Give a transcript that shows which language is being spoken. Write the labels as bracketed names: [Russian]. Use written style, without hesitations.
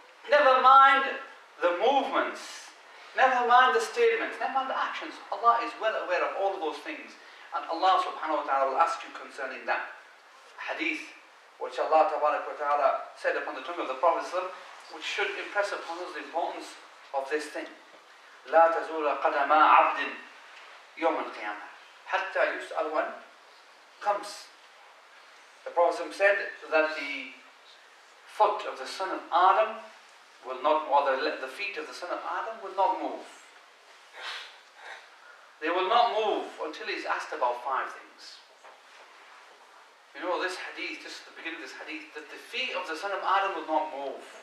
[English] Never mind the movements, never mind the statements, never mind the actions. Allah is well aware of all of those things. And Allah subhanahu wa ta'ala will ask you concerning that. Hadith, which Allah tabaraka wa ta'ala said upon the tongue of the Prophet, which should impress upon us the importance of this thing. [Arabic] لا تزول قدما عبد يوم القيامة حتى يسأل عن خمس. [English] The Prophet said that the foot of the son of Adam will not, or the feet of the son of Adam will not move. They will not move until he's asked about five things. You know this hadith, just at the beginning of this hadith, that the feet of the son of Adam will not move.